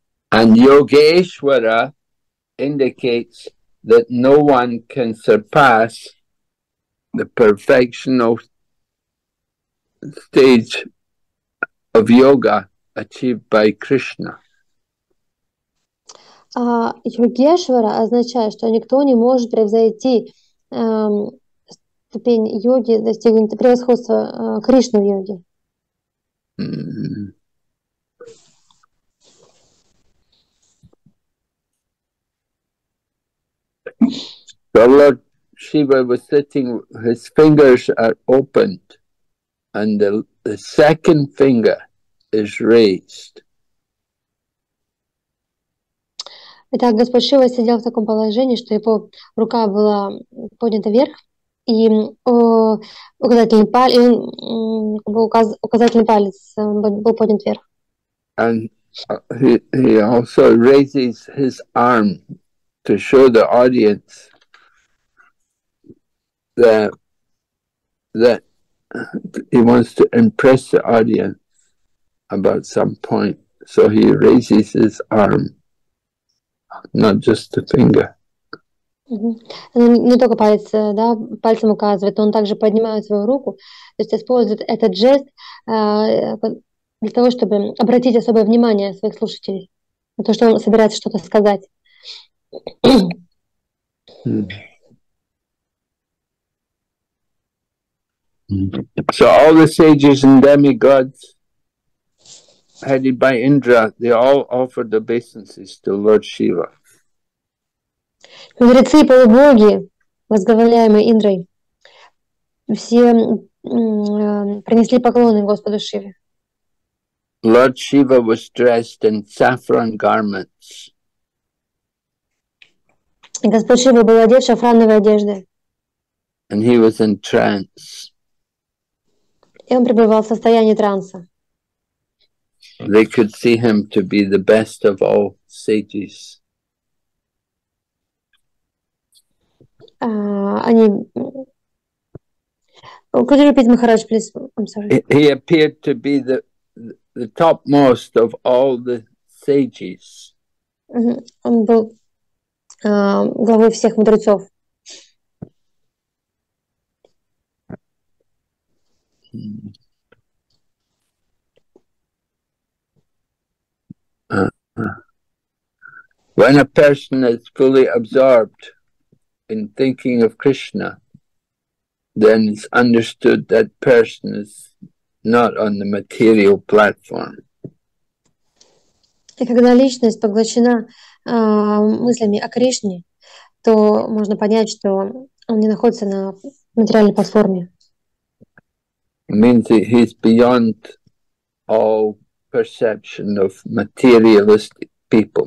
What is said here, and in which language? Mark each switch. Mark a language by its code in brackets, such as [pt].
[en] And Йогешвара indicates that no one can surpass the perfection of stage of yoga achieved by Krishna. [ru] Йогешвара означает, что никто не может превзойти ступень йоги, достигнуть превосходства Кришны в йоге. [en] So Lord Shiva was sitting, his fingers are opened. And the second finger is raised. [ru] Итак, Господь Шива сидел в таком положении, что его рука была поднята вверх, и указательный палец был поднят вверх. [en] And he also raises his arm to show the audience that he wants to impress the audience about some point, so he raises his arm, not just the finger. [ru] Не только палец, да, пальцем указывает, он также поднимает свою руку, то есть использует этот жест для того, чтобы обратить особое внимание своих слушателей на то, что он собирается что-то сказать. [en] So all the sages and demigods, headed by Indra, they all offered obeisances to Lord Shiva. [ru] Мудрецы и полубоги, возглавляемые Индрой, все принесли поклоны Господу Шиве. [en] Lord Shiva was dressed in saffron garments. [ru] Господь Шива был одет в шафрановой одежде. [en] And he was in trance. [ru] И он пребывал в состоянии транса. [en] They could see him to be the best of all sages. Could you repeat, Maharaj, please? I'm sorry. He appeared to be the topmost of all the sages. [ru] Он был главой всех мудрецов. [en] When a person is fully absorbed in thinking of Krishna, then it's understood that person is not on the material platform. [ru] И когда личность поглощена мыслями о Кришне, то можно понять, что он не находится на материальной платформе. [en] Means he's beyond all perception of materialistic people.